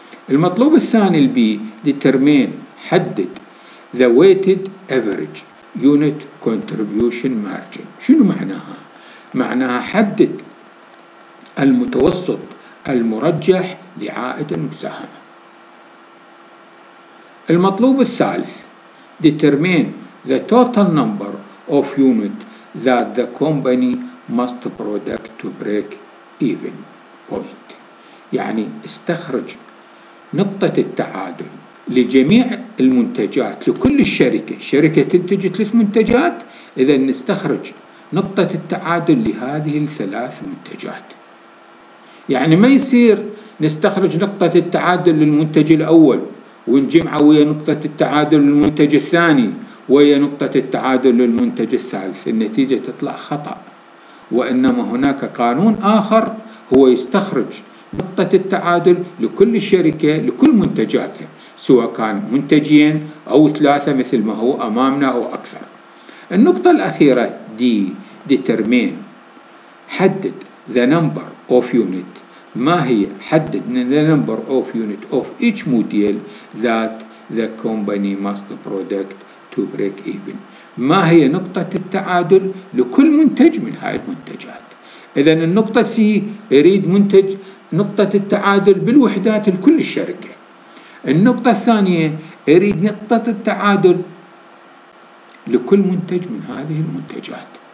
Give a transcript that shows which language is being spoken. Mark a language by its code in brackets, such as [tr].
[ar] المطلوب الثاني البي [en] determine، [ar] حدد [en] the weighted average unit contribution margin. [ar] شنو معناها؟ معناها حدد المتوسط المرجح لعائد المساهمة. المطلوب الثالث [en] determine the total number of units that the company must product to break even point. [ar] يعني استخرج نقطة التعادل لجميع المنتجات، لكل الشركة، الشركة تنتج 3 منتجات، إذا نستخرج نقطة التعادل لهذه الثلاث منتجات. يعني ما يصير نستخرج نقطة التعادل للمنتج الأول ونجمعه ويا نقطة التعادل للمنتج الثاني ويا نقطة التعادل للمنتج الثالث، النتيجة تطلع خطأ. وإنما هناك قانون آخر هو يستخرج نقطة التعادل لكل الشركة، لكل منتجاتها، سواء كان منتجين أو ثلاثة مثل ما هو أمامنا أو أكثر. النقطة الأخيرة دي [en] determine، [ar] حدد [en] the number of units [ar] ما هي حدد [en] the number of unit of each model that the company must product to break even. [ar] ما هي نقطة التعادل لكل منتج من هاي المنتجات؟ إذا النقطة C يريد منتج نقطة التعادل بالوحدات لكل الشركة. النقطة الثانية يريد نقطة التعادل لكل منتج من هذه المنتجات.